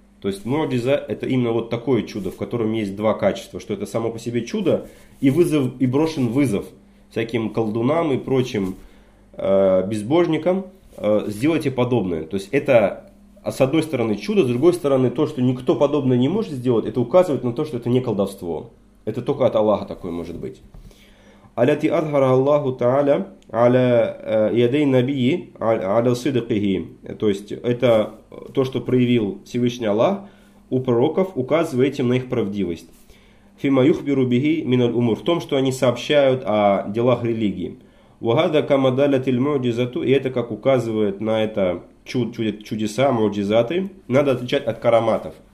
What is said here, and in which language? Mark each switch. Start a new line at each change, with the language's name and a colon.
Russian: То есть муадиза это именно вот такое чудо, в котором есть два качества, что это само по себе чудо и, вызов, и брошен вызов всяким колдунам и прочим безбожникам, сделайте подобное. То есть это с одной стороны чудо, с другой стороны то, что никто подобное не может сделать, это указывает на то, что это не колдовство. Это только от Аллаха такое может быть.
Arabic: التي أظهر الله تعالى على يدي النبي على صدقه.
Russian: То есть это то, что проявил Всевышний Аллах у пророков, указывает им на их правдивость.
Arabic: فيما يخبر به من الأمور,
Russian: в том, что они сообщают о делах религии.
Arabic: وهذا كما دلت المعجزة,
Russian: и это как указывает на это чудеса, муджизаты, надо отличать от караматов.